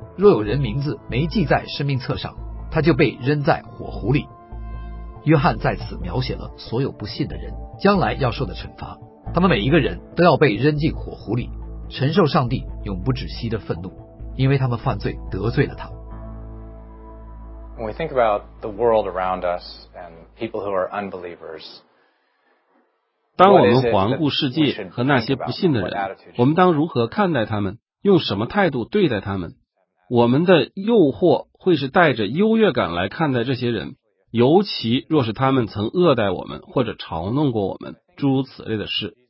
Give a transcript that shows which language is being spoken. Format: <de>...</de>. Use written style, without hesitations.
<zh>若有人名字没记在生命册上，他就被扔在火湖里。约翰在此描写了所有不信的人将来要受的惩罚，他们每一个人都要被扔进火湖里，承受上帝永不止息的愤怒，因为他们犯罪得罪了他。</zh> <en>When we think about the world around us and people who are unbelievers,</en> <zh>当我们环顾世界和那些不信的人，我们当如何看待他们，用什么态度对待他们？我们的诱惑会是带着优越感来看待这些人，尤其若是他们曾恶待我们或者嘲弄过我们，诸如此类的事。</zh>